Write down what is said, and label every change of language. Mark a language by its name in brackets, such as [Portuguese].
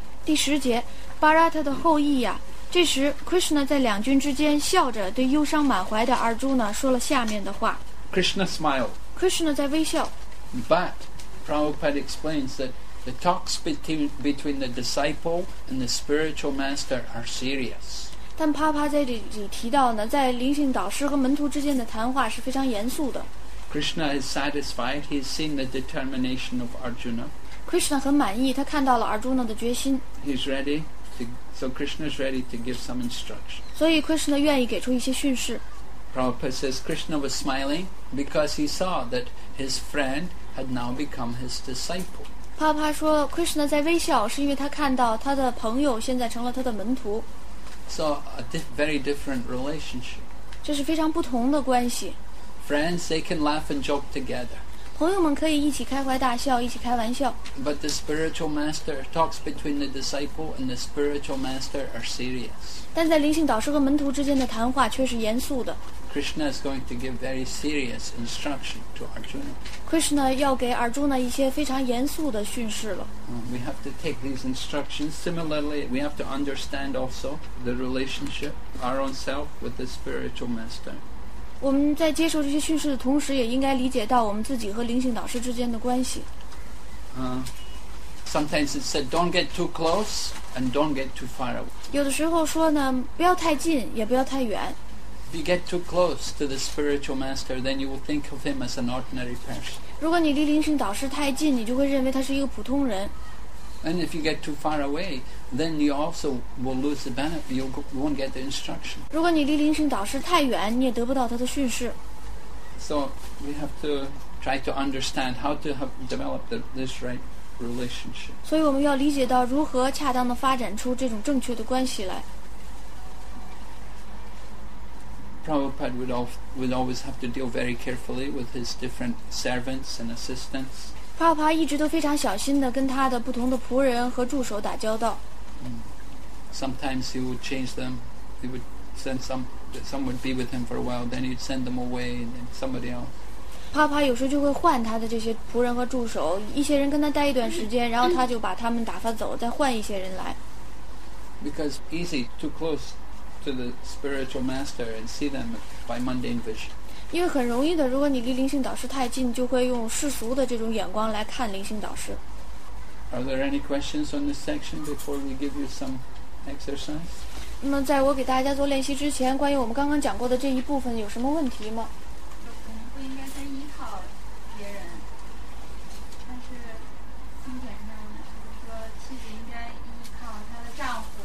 [Chinese] 第十节，巴拉塔的后裔呀。这时 Krishna 在两军之间笑着对忧伤满怀的 Arjuna 说了下面的话。 [English] Krishna smiled. [Chinese] Krishna 在微笑。 [English] But Prabhupada explains that. The talks between the disciple and the spiritual master are serious. [Chinese] 但帕帕在这里提到呢，在灵性导师和门徒之间的谈话是非常严肃的。 [English] Krishna is satisfied. He has seen the determination of Arjuna. [Chinese] Krishna 很满意，他看到了 Arjuna 的决心。 [English] He's ready. So Krishna is ready to give some instruction. [Chinese] 所以 Krishna 愿意给出一些训示。 [English] Prabhupada says Krishna was smiling because he saw that his friend had now become his disciple. [Chinese] 帕帕说 ，Krishna 在微笑，是因为他看到他的朋友现在成了他的门徒。 [English] So a very different relationship. [Chinese] 这是非常不同的关系。 [English] Friends, they can laugh and joke together. [Chinese] 朋友们可以一起开怀大笑，一起开玩笑。 [English] But the spiritual master talks between the disciple and the spiritual master are serious. [Chinese] 但在灵性导师和门徒之间的谈话却是严肃的。 [English] Krishna is going to give very serious instruction to Arjuna. [Chinese] Krishna 要给 Arjuna 一些非常严肃的训示了。 [English] We have to take these instructions. Similarly, we have to understand also the relationship, our own self, with the spiritual master. [Chinese] 我们在接受这些训示的同时，也应该理解到我们自己和灵性导师之间的关系。 [English] Sometimes it said, "Don't get too close and don't get too far away." [Chinese] 有的时候说呢，不要太近，也不要太远。 [English] If you get too close to the spiritual master, then you will think of him as an ordinary person. [Chinese] 如果你离灵性导师太近，你就会认为他是一个普通人。 [English] And if you get too far away, then you also will lose the benefit. You won't get the instruction. [Chinese] 如果你离灵性导师太远，你也得不到他的训示。 [English] So we have to try to understand how to have developed this right relationship. [Chinese] 所以我们要理解到如何恰当地发展出这种正确的关系来。 [English] Prabhupada would always have to deal very carefully with his different servants and assistants. [Chinese] Prabhupada 一直都非常小心地跟他的不同的仆人和助手打交道。 [English] Sometimes he would change them. He would send some would be with him for a while, then he'd send them away, and then somebody else. [Chinese] Prabhupada 有时候就会换他的这些仆人和助手，一些人跟他待一段时间，然后他就把他们打发走，再换一些人来。 [English] Because easy, too close. To the spiritual master and see them by mundane vision. [Chinese] 因为很容易的，如果你离灵性导师太近，就会用世俗的这种眼光来看灵性导师。 [English] Are there any questions on this section before we give you some exercise? [Chinese] 那么在我给大家做练习之前，关于我们刚刚讲过的这一部分，有什么问题吗？我们不应该先依靠别人，但是经典上说，妻子应该依靠她的丈夫。